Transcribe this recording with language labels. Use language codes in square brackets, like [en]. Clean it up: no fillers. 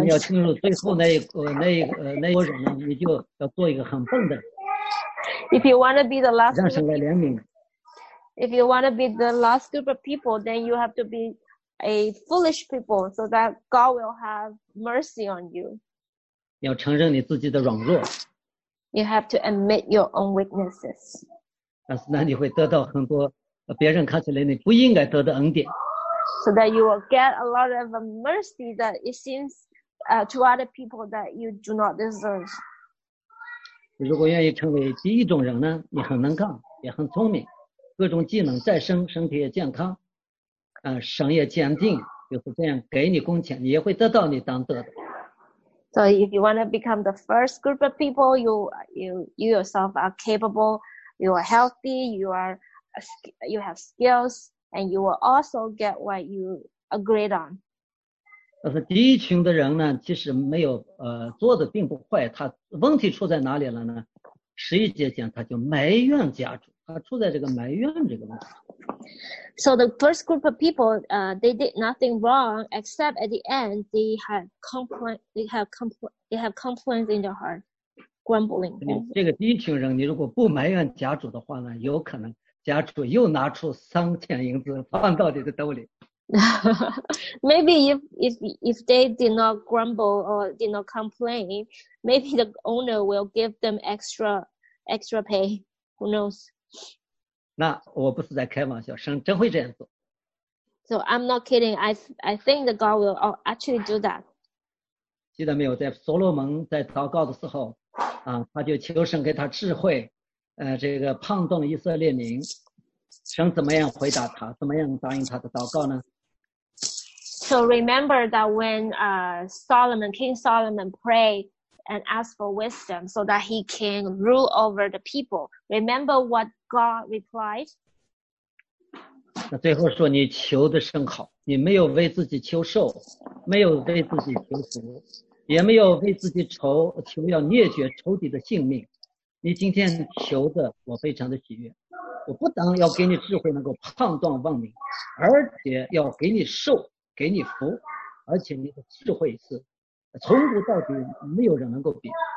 [zh] 你要清楚最后那一波人呢，你就要做一个很笨的。 [en] If you want to be the last, [zh] 让神来怜悯。 [en] If you want to be the last group of people, then you have to be a foolish people so that God will have mercy on you. [zh] 要承认你自己的软弱。 [en] You have to admit your own weaknesses. [zh] 但是那你会得到很多别人看起来你不应该得的恩典。 [en] So that you will get a lot of mercy that it seems to other people that you do not deserve. [zh] 你如果愿意成为第一种人呢，你很能干，也很聪明。各种技能再生，身体也健康，神也坚定，就是这样给你工钱，你也会得到你当得的。 [en] So if you want to become the first group of people, you yourself are capable, you are healthy, you have skills, and you will also get what you agreed on. [zh] 但是第一群的人呢，即使没有做的并不坏，他问题出在哪里了呢？十一节讲他就埋怨家主，他处在这个埋怨这个问题。 [en] So the first group of people, they did nothing wrong except at the end they have complaints in their heart, grumbling. [zh] 这个第一群人，你如果不埋怨家主的话呢，有可能家主又拿出3000银子放到你的兜里。 [en] Maybe if they did not grumble or did not complain, maybe the owner will give them extra pay. Who knows? [zh] 那我不是在开玩笑，神真会这样做。 [en] So I'm not kidding. I think the God will actually do that. [zh] 记得没有，在所罗门在祷告的时候，啊，他就求神给他智慧，这个胖动以色列民，神怎么样回答他，怎么样答应他的祷告呢？ [en] So remember that when Solomon, King Solomon prayed and asked for wisdom so that he can rule over the people, remember what God replied? [zh] 那最后说你求的甚好，你没有为自己求寿，没有为自己求福，也没有为自己愁求要灭绝仇敌的性命，你今天求的我非常的喜悦，我不但要给你智慧能够判断万民，而且要给你寿给你福，而且你的智慧是从古到底没有人能够比。